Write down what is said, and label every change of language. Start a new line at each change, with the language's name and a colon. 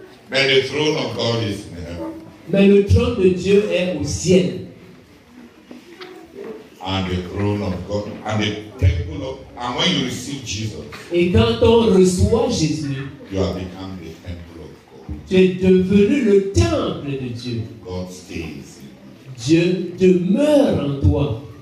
English: But the throne of God is in heaven.
French: Mais le trône de Dieu est au ciel.
English: And the throne of God, and the temple of, and when you receive Jesus,
French: et quand on reçoit Jésus,
English: you have become the temple of God.
French: Tu es devenu le temple de Dieu.
English: God stays in you.
French: Dieu demeure en toi.